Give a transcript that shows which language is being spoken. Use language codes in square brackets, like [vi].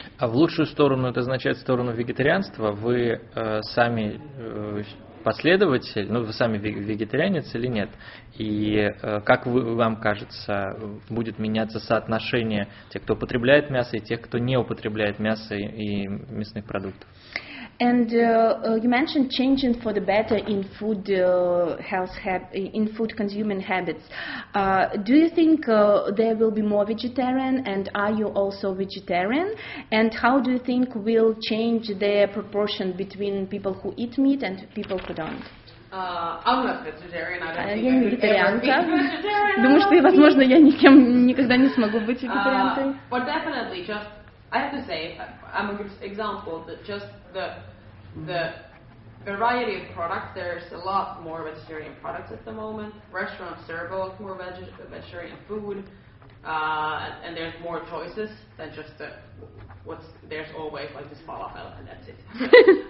[ru] А в лучшую сторону это означает в сторону вегетарианства? Вы сами последователь, ну вы сами вегетарианец или нет? И как вам кажется, будет меняться соотношение тех, кто употребляет мясо, и тех, кто не употребляет мясо и мясных продуктов? [en] And you mentioned changing for the better in food health in food consuming habits. Do you think there will be more vegetarian, and are you also vegetarian? And how do you think will change the proportion between people who eat meat and people who don't? I'm not vegetarian. I don't think I'm vegetarian. [ru] Думаю, что, возможно, я никем никогда не смогу быть вегетарианкой. [en] But definitely, just I have to say, I'm a good example that just the variety of products, there's a lot more vegetarian products at the moment. Restaurants serve a lot more vegetarian food, and there's more choices than just there's always like this falafel and that's it.